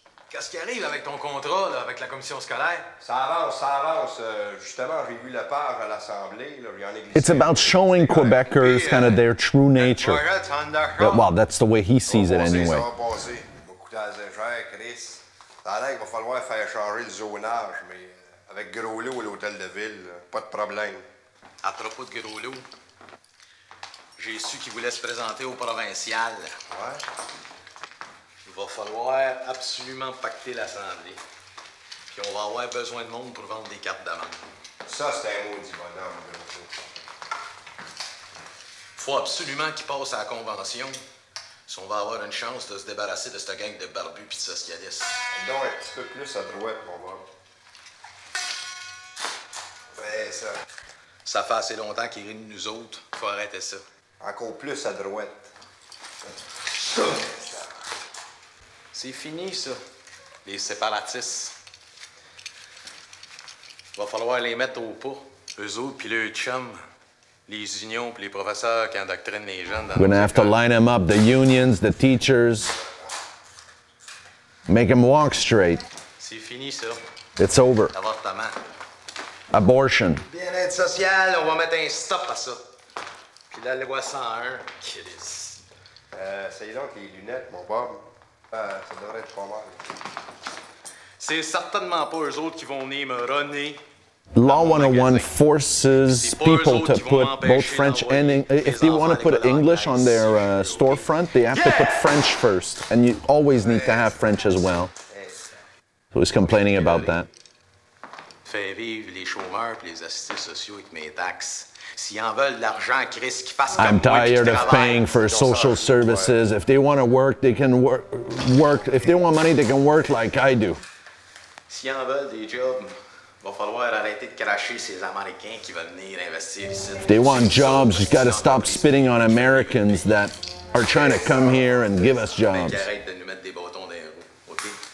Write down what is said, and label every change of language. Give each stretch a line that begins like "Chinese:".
French: qu'est-ce qui arrive avec ton contrat, là, avec la commission scolaire? Ça avance. Justement, j'ai vu la page à l'Assemblée.
English: It's about showing Quebecers kind of their true nature. Well, that's the way he sees it anyway.
French: Ça va passer. Beaucoup d'azéchères, Chris. Ça a l'air qu'il va falloir faire changer le zonage, mais avec gros lot à l'hôtel de ville, pas de problème. À propos de gros lot, j'ai su qu'il voulait se présenter au provincial. Ouais. Va falloir absolument pacter l'Assemblée. Puis on va avoir besoin de monde pour vendre des cartes d'amende. Ça, c'est un maudit bonhomme. Faut absolument qu'il passe à la convention si on va avoir une chance de se débarrasser de cette gang de barbus pis de socialistes. Donc, un petit peu plus à droite, mon bon. Fais ça. Ça fait assez longtemps qu'il rit de nous autres. Faut arrêter ça. Encore plus à droite. C'est fini, ça, les séparatistes. Va falloir les mettre au pas. Eux autres, puis le chum, les unions, puis les professeurs qui endoctrinent les jeunes.
English: We're gonna have to line them up, the unions, the teachers. Make them walk straight.
French: C'est fini, ça.
English: It's over.
French: Avortement.
English: Abortion.
French: Bien-être social, on va mettre un stop à ça. Puis la loi 101, qu'il est. Essayez donc les lunettes, mon Bob. Ça devrait être pas mal. C'est certainement pas eux autres qui vont venir me runner.
English: Law 101 forces people to put both French and English. If they want to put English on their storefront, they have to put French first. And you always need to have French as well. So he's complaining about that.
French: Fais vivre les chômeurs puis les assistés sociaux avec mes taxes. S'ils en veulent de l'argent, Chris, qu'ils fassent comme moi, qu'ils travaillent.
English: I'm tired of paying for social services. If they want to work, they can work. If they want money, they can work like I do.
French: S'ils en veulent des jobs, va falloir arrêter de cracher ces Américains qui veulent venir investir ici.
English: If they want jobs, you got to stop spitting on Americans that are trying to come here and give us jobs.
French: Arrête de nous mettre des bâtons dans les roues, OK?